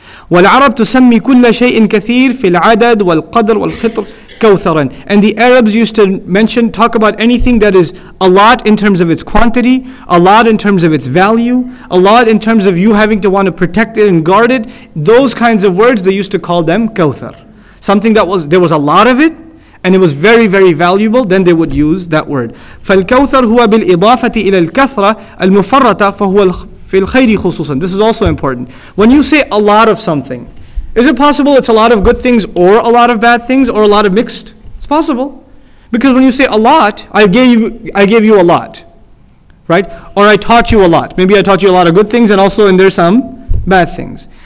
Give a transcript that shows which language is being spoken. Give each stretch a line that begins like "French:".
Arabic: والعرب تسمي كل شيء كثير في العدد والقدر والخطر كوثرا.
English: And the Arabs used to mention, talk about anything that is a lot in terms of its quantity, a lot in terms of its value, a lot in terms of you having to want to protect it and guard it. Those kinds of words, they used to call them كوثر. Something that was, there was a lot of it, and it was very, very valuable, then they would use that word.
Arabic: فالكوثر هو بالإضافة إلى الكثرة المفرطة فهو
English: This is also important. When you say a lot of something, is it possible it's a lot of good things or a lot of bad things or a lot of mixed? It's possible. Because when you say a lot, I gave you a lot. Right? Or I taught you a lot. Maybe I taught you a lot of good things and also in there some bad things.